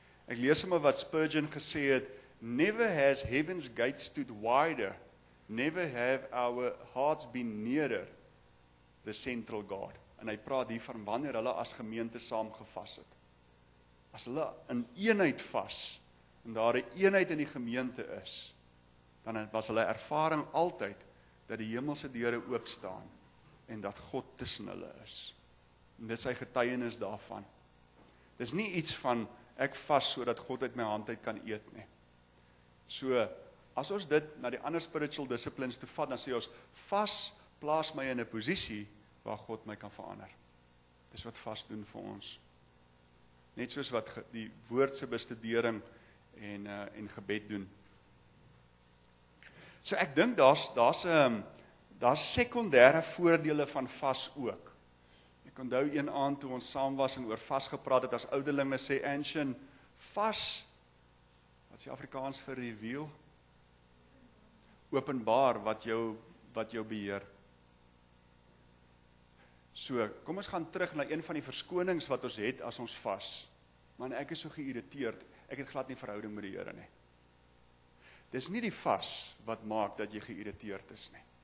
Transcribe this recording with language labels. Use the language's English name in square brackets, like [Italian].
[Afrikaans] Ek lees sommer wat Spurgeon gesê het, [English] never has heaven's gates stood wider, never have our hearts been nearer the central God. [Afrikaans] En hy praat hier van wanneer hulle as gemeente saam gevas het. as hulle in eenheid vas, en daar die eenheid in die gemeente is, dan was hulle ervaring altyd, dat die hemelse deure oopstaan, en dat God tussen hulle is. En dit is sy getuienis daarvan. Dit is nie iets van, ek vas so dat God uit my hand uit kan eet nie. So, as ons dit na die ander spiritual disciplines te vat, dan sê ons, vas plaas my in 'n posisie waar God my kan verander. Dis wat vas doen vir ons. Net soos wat die woordse bestudering en gebed doen. So ek dink daar's sekondêre voordele van vas ook. Ek onthou een aand toe ons saam was en oor vas gepraat het, as ouderlinge sê ancient vas, wat is die Afrikaans vir reveal? Openbaar wat jou beheer. So, kom ons gaan terug na een van die verskonings wat ons het as ons vas. Man, ek is so geïrriteerd, ek het glad nie verhouding met die Here nie. Dis nie die vas wat maak dat jy geïrriteerd is nie.